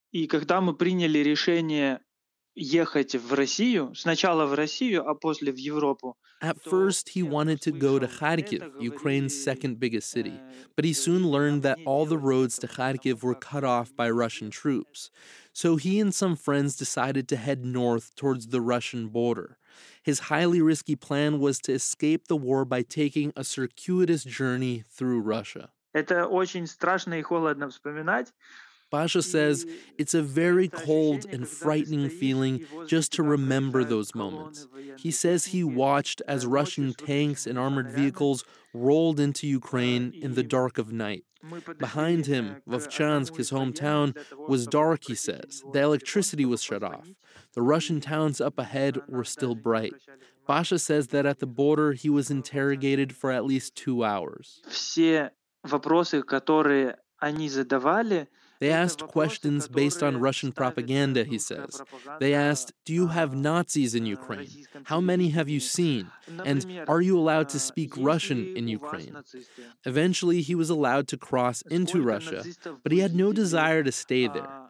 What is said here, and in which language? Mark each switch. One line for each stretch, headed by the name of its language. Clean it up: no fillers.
Russian: И когда мы приняли решение ехать в Россию, сначала в Россию, а после в Европу.
English: At first, he wanted to go to Kharkiv, Ukraine's second biggest city. But he soon learned that all the roads to Kharkiv were cut off by Russian troops. So he and some friends decided to head north towards the Russian border. His highly risky plan was to escape the war by taking a circuitous journey through Russia.
Russian: Это очень страшно и холодно вспоминать.
English: Pasha says it's a very cold and frightening feeling just to remember those moments. He says he watched as Russian tanks and armored vehicles rolled into Ukraine in the dark of night. Behind him, Vovchansk, his hometown, was dark, he says. The electricity was shut off. The Russian towns up ahead were still bright. Pasha says that at the border, he was interrogated for at least 2 hours.
Russian: Все вопросы, которые они задавали,
English: they asked questions based on Russian propaganda, he says. They asked, do you have Nazis in Ukraine? How many have you seen? And are you allowed to speak Russian in Ukraine? Eventually, he was allowed to cross into Russia, but he had no desire to stay there.